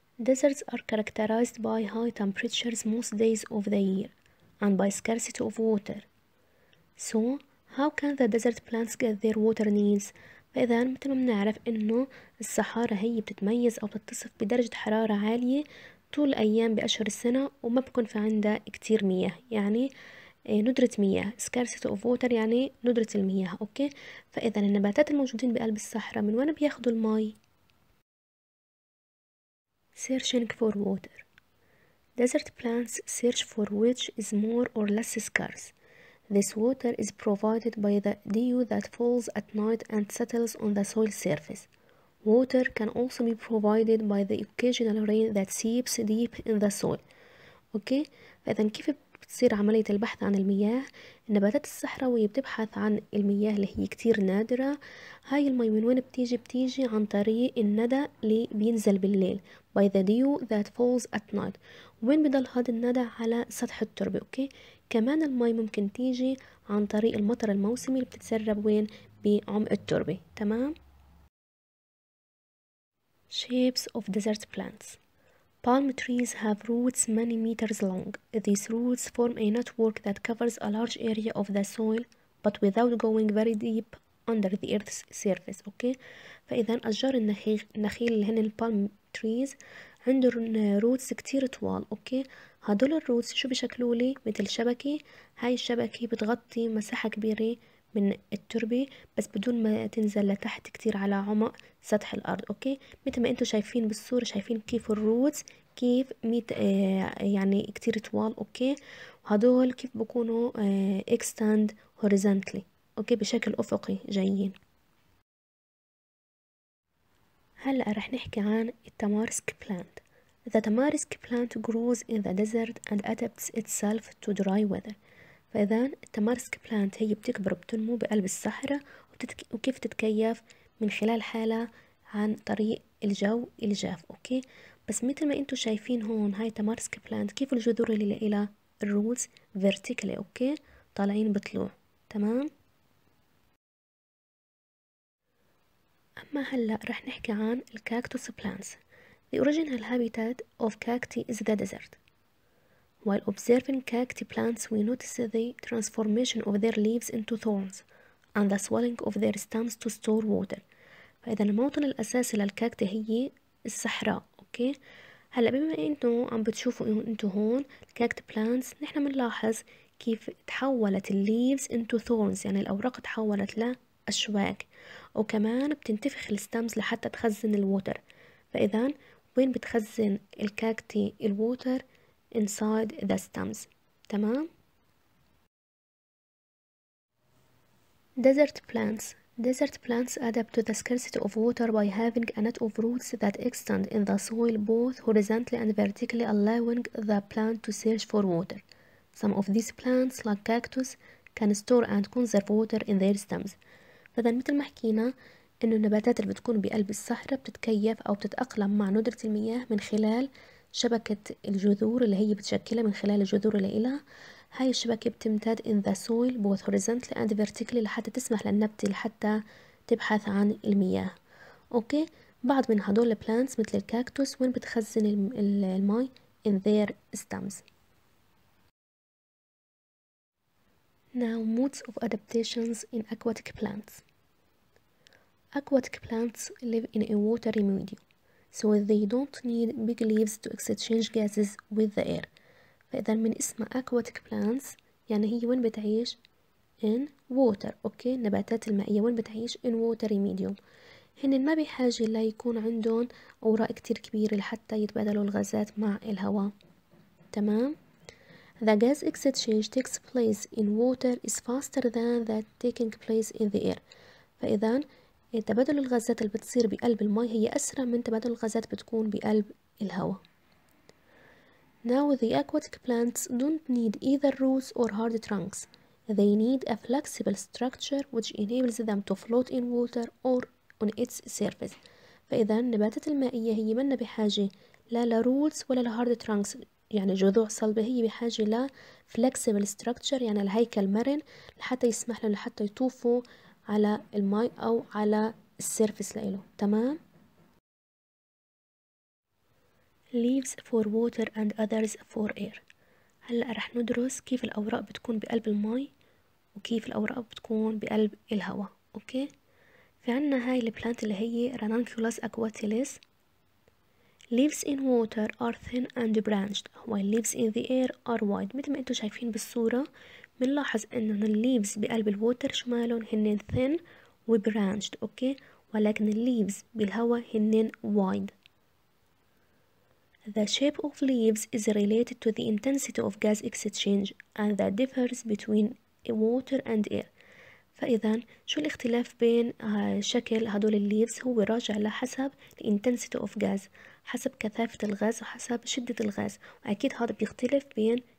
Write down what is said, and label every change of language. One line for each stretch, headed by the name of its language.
English: Deserts are characterized by high temperatures most days of the year and by scarcity of water. So, how can the desert plants get their water needs?
Arabic: فإذا مثل ما بنعرف إنه الصحارى هي بتتميز أو بتتصف بدرجة حرارة عالية طول الأيام بأشهر السنة وما بكون في عندها كتير مياه، يعني ندرة مياه.
English: scarcity of water
Arabic: يعني ندرة المياه. أوكي. فإذا النباتات الموجودين بقلب الصحراء من وين بياخدوا الماء؟
English: searching for water. Desert plants search for which is more or less scarce. This water is provided by the dew that falls at night and settles on the soil surface. Water can also be provided by the occasional rain that seeps deep in the soil. Okay?
Arabic: فإذا كيف بتصير عملية البحث عن المياه، النباتات الصحراوية بتبحث عن المياه اللي هي كتير نادرة. هاي المي من وين بتيجي؟ بتيجي عن طريق الندى اللي بينزل بالليل،
English: by the dew that falls at night.
Arabic: وين بضل هاد الندى؟ على سطح التربة. اوكي، كمان المي ممكن تيجي عن طريق المطر الموسمي اللي بتتسرب وين؟ بعمق التربة. تمام.
English: Shapes of desert plants. Palm trees have roots many meters long. These roots form a network that covers a large area of the soil but without going very deep under the earth's surface. Okay.
Arabic: فإذا أشجار النخيل اللي هن البالم تريز عندهم روتس كتير طوال. اوكي، هدول الروتس شو بيشكلوا لي؟ مثل شبكة. هاي الشبكة بتغطي مساحة كبيرة من التربة بس بدون ما تنزل لتحت كتير على عمق سطح الأرض. أوكي، مثل ما أنتوا شايفين بالصورة، شايفين كيف الروتس كيف ميت يعني كتير طوال. أوكي، وهدول كيف بكونوا
English: extend horizontally.
Arabic: أوكي، بشكل أفقي جايين. هلأ رح نحكي عن التمارسك بلانت.
English: The tamarisk plant grows in the desert and adapts itself to dry weather.
Arabic: فإذا التمارسك بلانت هي بتكبر وبتنمو بقلب الصحراء وكيف تتكيف؟ من خلال حالة عن طريق الجو الجاف. أوكي، بس مثل ما أنتوا شايفين هون، هاي تمارسك بلانت كيف الجذور اللي لها الروتس
English: vertically.
Arabic: أوكي، طالعين بطلوع. تمام. أما هلأ رح نحكي عن الكاكتوس بلانتس.
English: The original habitat of cacti is the desert. While observing cacti plants, we notice the transformation of their leaves into thorns and the swelling of their stems to store water.
Arabic: فإذا الموطن الأساسي للكاكتي هي الصحراء. أوكي، هلا بما انتم عم بتشوفوا انتم هون الكاكتي بلانتس، نحن بنلاحظ كيف تحولت
English: الليفز into thorns,
Arabic: يعني الأوراق تحولت لأشواك، وكمان بتنتفخ الستامز لحتى تخزن الووتر. فإذا وين بتخزن الكاكتي الووتر؟
English: inside the stems.
Arabic: تمام.
English: desert plants. desert plants adapt to the scarcity of water by having a net of roots that extend in the soil both horizontally and vertically, allowing the plant to search for water. some of these plants like cactus can store and conserve water in their stems.
Arabic: فإذا مثل ما حكينا إنه النباتات اللي بتكون بقلب الصحراء بتتكيف أو بتتأقلم مع ندرة المياه من خلال شبكة الجذور اللي هي بتشكلها من خلال الجذور اللي إلها. هاي الشبكة بتمتد
English: in the soil both horizontally and vertically
Arabic: لحتى تسمح للنبتة لحتى تبحث عن المياه. أوكي، بعض من هدول البلانتس مثل الكاكتوس وين بتخزن المي؟
English: in their stems. Now modes of adaptations in aquatic plants. Aquatic plants live in a watery medium, so they don't need big leaves to exchange gases with the air.
Arabic: فإذا من اسمها aquatic plants يعني هي وين بتعيش؟
English: in water.
Arabic: اوكي، النباتات المائية وين بتعيش؟
English: in watery medium.
Arabic: هن ما بحاجة لا يكون عندهم أوراق كتير كبيرة لحتى يتبادلوا الغازات مع الهواء. تمام.
English: The gas exchange takes place in water is faster than that taking place in the air.
Arabic: فإذا تبادل الغازات اللي بتصير بقلب الماء هي أسرع من تبادل الغازات بتكون بقلب الهواء.
English: Now the aquatic plants don't need either roots or hard trunks. They need a flexible structure which enables them to float in water or on its surface.
Arabic: فإذا النباتات المائية هي منا بحاجة لا لroots ولا ل
English: hard trunks
Arabic: يعني جذوع صلبة، هي بحاجة ل
English: flexible structure
Arabic: يعني الهيكل مرن لحتى يسمح لهم لحتى يطوفوا على الماء أو على السيرفس لإله. تمام.
English: leaves for water and others for air.
Arabic: هلأ رح ندرس كيف الأوراق بتكون بقلب الماء وكيف الأوراق بتكون بقلب الهواء. أوكي، في عنا هاي البلانت اللي هي رانانكولاس أكواتيليس.
English: leaves in water are thin and branched while leaves in the air are wide.
Arabic: مثل ما انتو شايفين بالصورة بنلاحظ انه الليفز بقلب الووتر شمالهم هنن thin وbranched. اوكي، ولكن الليفز بالهواء هنن wide.
English: The shape of leaves is related to the intensity of gas exchange and that differs between water and air.
Arabic: فاذا شو الاختلاف بين شكل هدول الليفز؟ هو راجع لحسب
English: the intensity of gas،
Arabic: حسب كثافة الغاز وحسب شدة الغاز، واكيد هذا بيختلف بين